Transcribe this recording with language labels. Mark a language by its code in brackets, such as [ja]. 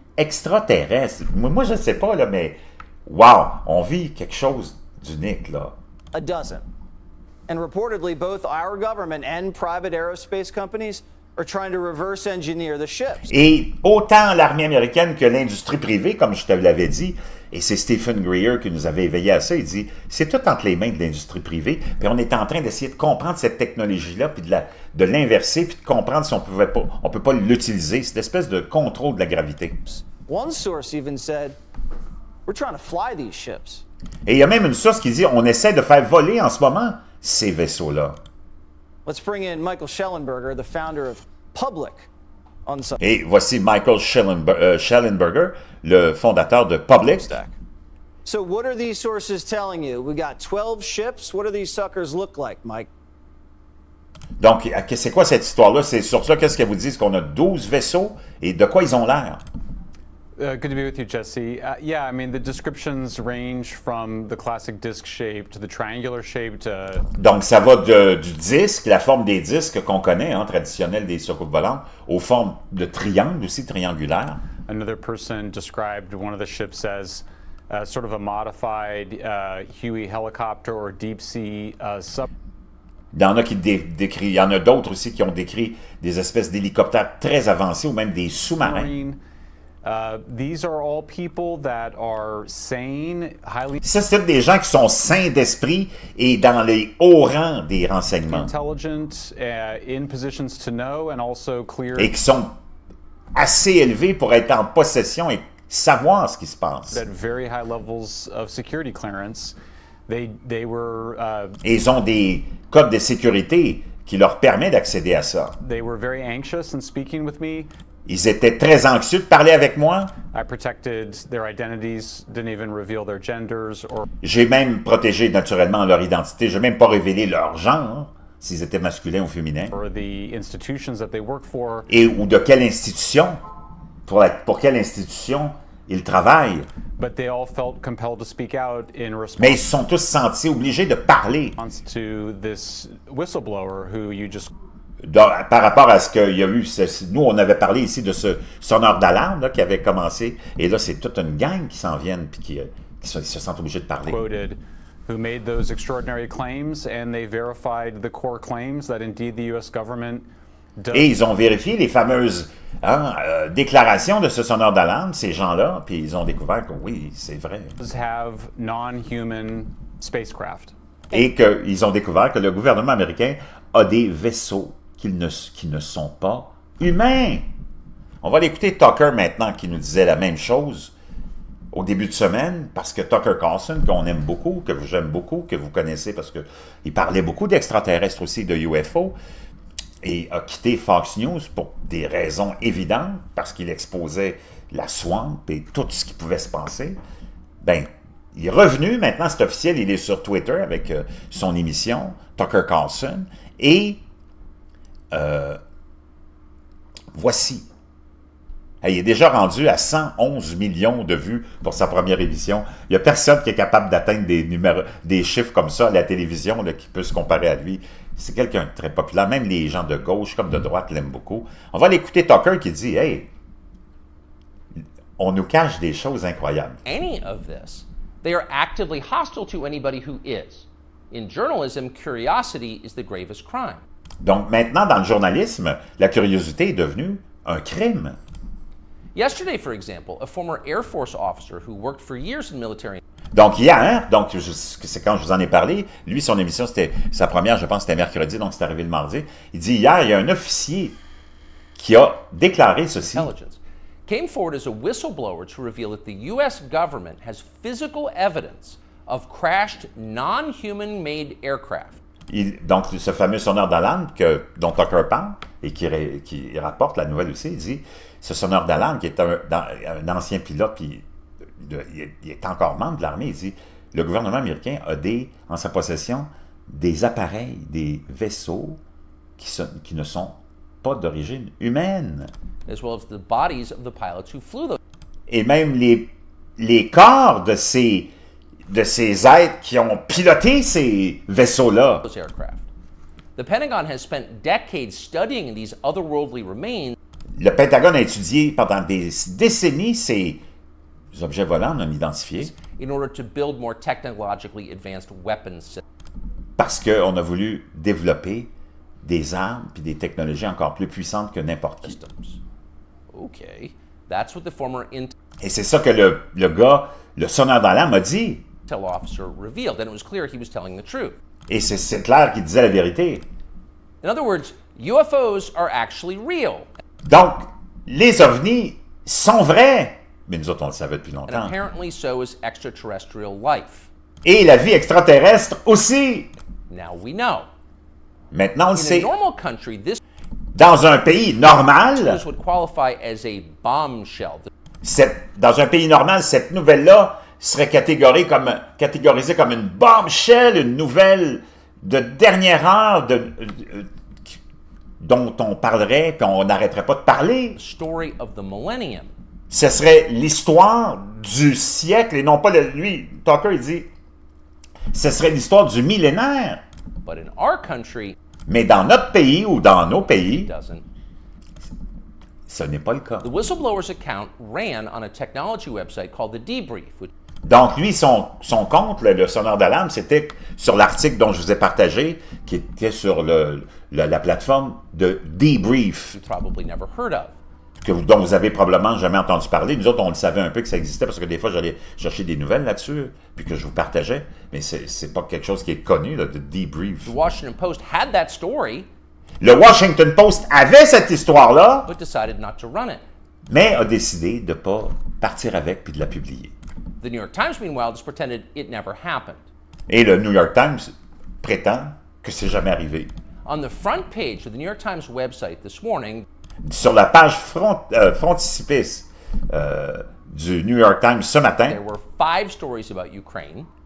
[fr] extraterrestre. Moi, je ne sais pas, là, mais waouh, on vit quelque chose d'unique, là. [en] A dozen. And reportedly, both our government and private aerospace companies are trying to reverse engineer the ships. [fr] Et autant l'armée américaine que l'industrie privée, comme je te l'avais dit, et c'est Stephen Greer qui nous avait éveillé à ça, il dit, c'est tout entre les mains de l'industrie privée, puis on est en train d'essayer de comprendre cette technologie-là, puis de l'inverser, puis de comprendre si on pouvait pas, on peut pas l'utiliser, cette espèce de contrôle de la gravité. [en] One source even said, we're trying to fly these ships. [fr] Et il y a même une source qui dit, on essaie de faire voler en ce moment ces vaisseaux-là. [en] Let's bring in Michael Schellenberger, the founder of Public. [fr] Et voici Michael Schellenberger, le fondateur de Public. [en] So what are these sources telling you? We got 12 ships. What do these suckers look like, Mike? [fr] Donc, c'est quoi cette histoire-là? Ces sources-là, qu'est-ce qu'elles vous disent? Qu'on a 12 vaisseaux et de quoi ils ont l'air? [en] Good to be with you, Jesse. Yeah, I mean, the descriptions range from the classic disc shape to the triangular shape to... [fr] Donc, ça va du disque, la forme des disques qu'on connaît, hein, traditionnelle des surcoupes volantes, aux formes de triangles aussi, triangulaires. [en] Another person described one of the ships as sort of a modified Huey helicopter or deep sea sub... [fr] Il y en a d'autres aussi qui ont décrit des espèces d'hélicoptères très avancés ou même des sous-marins. [en] These are all people that are sane, highly... [fr] Ça, c'est des gens qui sont sains d'esprit et dans les hauts rangs des renseignements. [en] Intelligent, in positions to know, and also clear... [fr] Et qui sont assez élevés pour être en possession et savoir ce qui se passe. [en] At very high levels of security clearance, they were... [fr] Ils ont des codes de sécurité qui leur permet d'accéder à ça. [en] They were very anxious in speaking with me. [fr] Ils étaient très anxieux de parler avec moi. [en] I protected their identities, didn't even reveal their genders or... [fr] J'ai même protégé naturellement leur identité. Je n'ai même pas révélé leur genre, s'ils étaient masculins ou féminins. [en] Or the institutions that they work for. [fr] Et ou de quelle institution, pour quelle institution ils travaillent. [en] But they all felt compelled to speak out in response... [fr] Mais ils se sont tous sentis obligés de parler. [en] ...to this whistleblower who you just... [fr] Donc, par rapport à ce qu'il y a eu, nous, on avait parlé ici de ce sonneur d'alarme là, qui avait commencé. Et là, c'est toute une gang qui s'en viennent et qui se sentent obligés de parler. [en] Quoted, who made those extraordinary claims, and they verified the core claims that indeed the US government does... [fr] Et ils ont vérifié les fameuses déclarations de ce sonneur d'alarme, ces gens-là, puis ils ont découvert que oui, c'est vrai. [en] Have non-human spacecraft. [fr] Et qu'ils ont découvert que le gouvernement américain a des vaisseaux qui ne sont pas humains. On va l'écouter Tucker maintenant qui nous disait la même chose au début de semaine, parce que Tucker Carlson, qu'on aime beaucoup, que j'aime beaucoup, que vous connaissez, parce qu'il parlait beaucoup d'extraterrestres aussi, de UFO, et a quitté Fox News pour des raisons évidentes, parce qu'il exposait la swamp et tout ce qui pouvait se passer. Ben, il est revenu maintenant, c'est officiel, il est sur Twitter avec son émission, Tucker Carlson, et voici. Il est déjà rendu à 111 millions de vues pour sa première émission. Il n'y a personne qui est capable d'atteindre des chiffres comme ça à la télévision là, qui peut se comparer à lui. C'est quelqu'un de très populaire. Même les gens de gauche comme de droite l'aiment beaucoup. On va l'écouter Tucker qui dit, « Hey, on nous cache des choses incroyables. » [en] Any of this, they are actively hostile to anybody who is. In journalism, curiosity is the gravest crime. [fr] Donc maintenant, dans le journalisme, la curiosité est devenue un crime. [en] Yesterday, for example, a former Air Force officer who worked for years in military... [fr] Donc hier, donc c'est quand je vous en ai parlé, lui, son émission, c'était sa première, je pense, c'était mercredi, donc c'est arrivé le mardi. Il dit hier, il y a un officier qui a déclaré ceci. [en] Intelligence came forward as a whistleblower to reveal that the U.S. government has physical evidence of crashed non-human made aircraft. [fr] Donc, ce fameux sonneur d'alarme dont Tucker parle et qui rapporte la nouvelle aussi, il dit, ce sonneur d'alarme qui est un ancien pilote, puis il est encore membre de l'armée, il dit, le gouvernement américain a en sa possession des appareils, des vaisseaux qui ne sont pas d'origine humaine. [en] As well as the bodies of the pilots who flew those. [fr] Et même les corps de ces... De ces êtres qui ont piloté ces vaisseaux-là. [en] The Pentagon has spent decades studying these otherworldly remains. [fr] Le Pentagone a étudié pendant des décennies ces objets volants non identifiés. [en] In order to build more technologically advanced weapons. [fr] Parce qu'on a voulu développer des armes et des technologies encore plus puissantes que n'importe qui. [en] Okay. That's what the former intel. [fr] Et c'est ça que le gars, le sonneur d'alarme, a dit. [en] Intel officer revealed, and it was clear he was telling the truth. [fr] Et c'est clair qu'il disait la vérité. [en] In other words, UFOs are actually real. [fr] Donc, les ovnis sont vrais, mais nous autres, on le savait depuis longtemps. [en] And apparently so is extraterrestrial life. [fr] Et la vie extraterrestre aussi. [en] Now we know. [fr] Maintenant, on le sait. [en] In a normal country, this... [fr] Dans un pays normal, [en] would qualify as a bombshell. [fr] Dans un pays normal, cette nouvelle-là serait catégorisée comme une bombshell, une nouvelle de dernière heure dont on parlerait et on n'arrêterait pas de parler. [en] Story of the millennium. [fr] Ce serait l'histoire du siècle et non pas lui. Tucker, il dit, ce serait l'histoire du millénaire. [en] But in our country, [fr] mais dans notre pays ou dans nos pays, [en] it doesn't. [fr] Ce n'est pas le cas. [en] The whistleblower's account ran on a technology website called the Debrief. [fr] Donc lui, son compte, le sonneur d'alarme, c'était sur l'article dont je vous ai partagé, qui était sur la plateforme de Debrief, [en] probably never heard of. [fr] Dont vous avez probablement jamais entendu parler. Nous autres, on le savait un peu que ça existait, parce que des fois, j'allais chercher des nouvelles là-dessus, puis que je vous partageais, mais ce n'est pas quelque chose qui est connu, là, de Debrief. [en] The Washington Post had that story. [fr] Le Washington Post avait cette histoire-là, [en] but decided not to run it. [fr] Mais a décidé de ne pas partir avec puis de la publier. [en] The New York Times, meanwhile, just pretended it never happened. [fr] Et le New York Times prétend que c'est jamais arrivé. [en] On the front page of the New York Times website this morning, [fr] sur la page frontispice du New York Times ce matin, [en] there were five stories about Ukraine.